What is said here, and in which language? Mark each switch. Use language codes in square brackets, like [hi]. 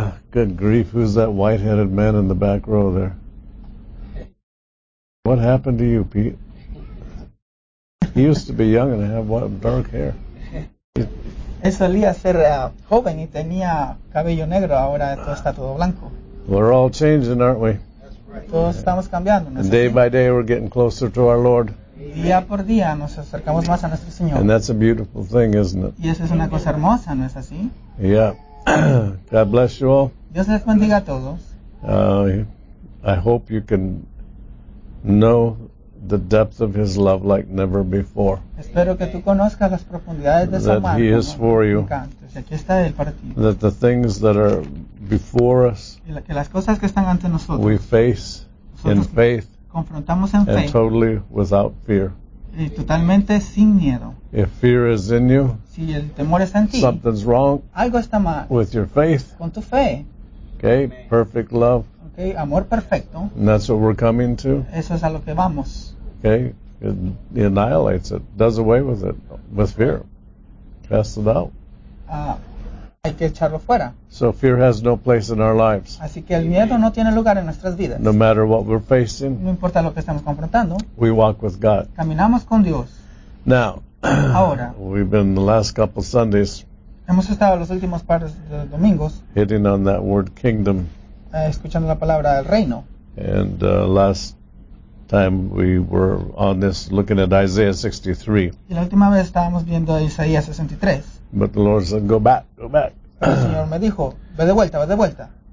[en] Good grief, who's that white-headed man in the back row there? What happened to you, Pete? He used to be young and have dark hair. [es] Él solía ser joven y tenía cabello negro, ahora todo está todo blanco. [en] We're all changing, aren't we? [es] Todos estamos cambiando, ¿no? [en] And day by day we're getting closer to our Lord. [es] Día por día nos acercamos más a nuestro Señor. [en] And that's a beautiful thing, isn't it? [es] Y eso es una cosa hermosa, ¿no es así? [en] Yeah. God bless you all. [es] Dios les bendiga a todos. [en] I hope you can know the depth of His love like never before. [es] Espero que tú conozcas las profundidades de su amor. [en] That He is for you. [es] Aquí está él para ti. [en] That the things that are before us, [es] que las cosas que están ante nosotros, [en] we face in faith, [es] confrontamos en fe, [en] and totally without fear. [es] Y totalmente sin miedo. [en] If fear is in you, [es] si el temor está en ti, [en] something's wrong. [es] Algo está mal. [en] With your faith, [es] con tu fe. [en] Okay, perfect love. [es] Okay, amor perfecto. [en] And that's what we're coming to. [es] Eso es a lo que vamos. [en] Okay, it annihilates it, does away with it, with fear, casts it out. [es] Hay que echarlo fuera. [en] So fear has no place in our lives. [es] Así que el miedo no tiene lugar en nuestras vidas. [en] No matter what we're facing. [es] No importa lo que estamos confrontando. [en] We walk with God. [es] Caminamos con Dios. [en] Now. [es] Ahora. [en] We've been the last couple Sundays. [es] Hemos estado los últimos par de domingos. [en] Hitting on that word kingdom. [es] Escuchando la palabra el reino. [en] And last time we were on this looking at Isaiah 63. [es] Y la última vez estábamos viendo Isaías 63. [en] But the Lord said, go back. [es] El Señor me dijo, ve de vuelta, ve de vuelta.